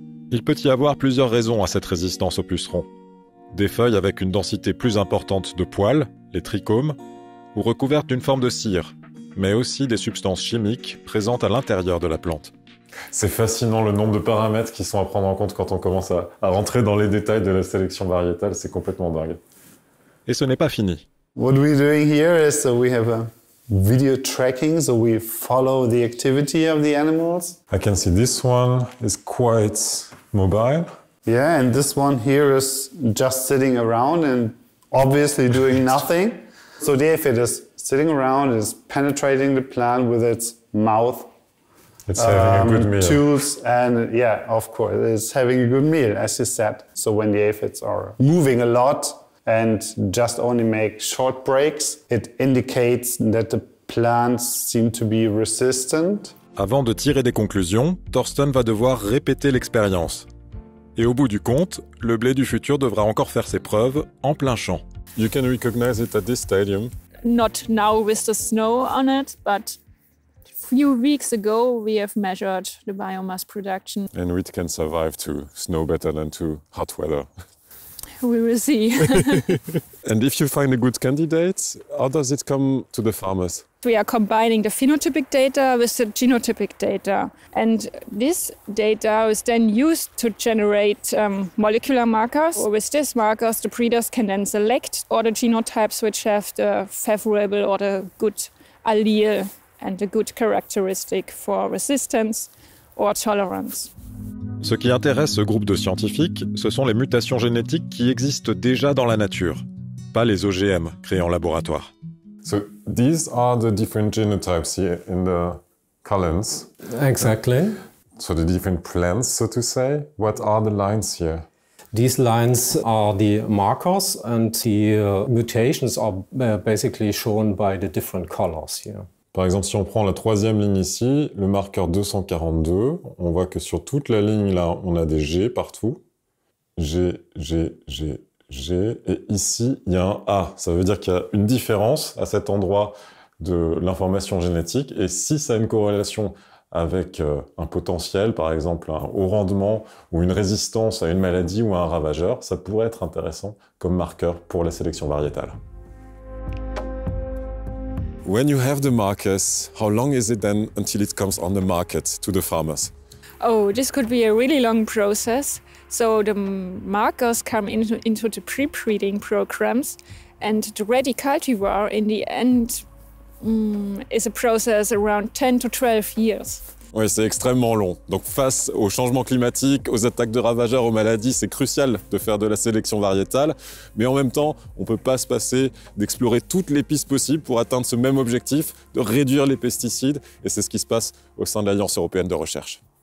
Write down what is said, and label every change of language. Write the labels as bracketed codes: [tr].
[fr] Il peut y avoir plusieurs raisons à cette résistance aux pucerons. Des feuils avec une densité plus importante de poils, les trichomes, ou recouvertes d'une forme de cire, mais aussi des substances chimiques présentes à l'intérieur de la plante. C'est fascinant le nombre de paramètres qui sont à prendre en compte quand on commence à rentrer dans les détails de la sélection variétale, c'est complètement dingue. Et ce n'est pas fini. [en] What we're doing here is so we have a video tracking, so we follow the activity of the animals. I can see this one is quite mobile. Yeah, and this one here is just sitting around and obviously doing nothing. So the aphid is sitting around, is penetrating the plant with its mouth. It's having a good meal. Tools and yeah, of course, it's having a good meal, as you said. So when the aphids are moving a lot and just only make short breaks, it indicates that the plants seem to be resistant. [fr] Avant de tirer des conclusions, Torsten va devoir répéter l'expérience. Et au bout du compte, le blé du futur devra encore faire ses preuves en plein champ. [en] You can recognize it at this stadium. Not now with the snow on it, but few weeks ago, we have measured the biomass production. And wheat can survive to snow better than to hot weather. We will see. And if you find a good candidate, how does it come to the farmers? We are combining the phenotypic data with the genotypic data. And this data is then used to generate molecular markers. With these markers, the breeders can then select all the genotypes which have the favorable or the good allele and a good characteristic for resistance or tolerance. [fr] Ce qui intéresse ce groupe de scientifiques, ce sont les mutations génétiques qui existent déjà dans la nature, pas les OGM créés en laboratoire. [en] So these are the different genotypes here in the columns. Exactly. So the different plants, so to say. What are the lines here? These lines are the markers and the mutations are basically shown by the different colors here. [fr] Par exemple, si on prend la troisième ligne ici, le marqueur 242, on voit que sur toute la ligne là, on a des G partout. G, G, G, G. Et ici, il y a un A. Ça veut dire qu'il y a une différence à cet endroit de l'information génétique. Et si ça a une corrélation avec un potentiel, par exemple un haut rendement ou une résistance à une maladie ou à un ravageur, ça pourrait être intéressant comme marqueur pour la sélection variétale. [en] When you have the markers, how long is it then until it comes on the market to the farmers? Oh, this could be a really long process. So the markers come into the pre-breeding programs and the ready cultivar in the end is a process around 10 to 12 years. [fr] Oui, c'est extrêmement long. Donc face au changement climatique, aux attaques de ravageurs, aux maladies, c'est crucial de faire de la sélection variétale. Mais en même temps, on ne peut pas se passer d'explorer toutes les pistes possibles pour atteindre ce même objectif, de réduire les pesticides. Et c'est ce qui se passe au sein de l'Alliance européenne de recherche.